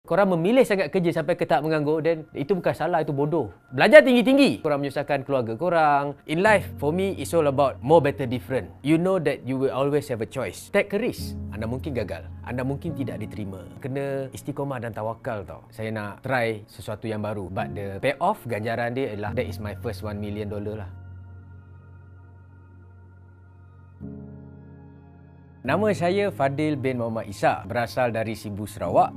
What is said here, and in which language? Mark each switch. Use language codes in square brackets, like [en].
[ms] Korang memilih sangat kerja sampai ke tahap menganggur, then itu bukan salah, itu bodoh. Belajar tinggi-tinggi. Korang menyusahkan keluarga korang. [en] In life, for me, it's all about more better different. You know that you will always have a choice. Take a risk. [ms] Anda mungkin gagal. Anda mungkin tidak diterima. Kena istiqomah dan tawakal tau. Saya nak try sesuatu yang baru. [en] But the payoff, [ms] ganjaran dia adalah [en] that is my first $1 million lah. [ms] Nama saya Fadil bin Muhammad Ishak, berasal dari Sibu, Sarawak.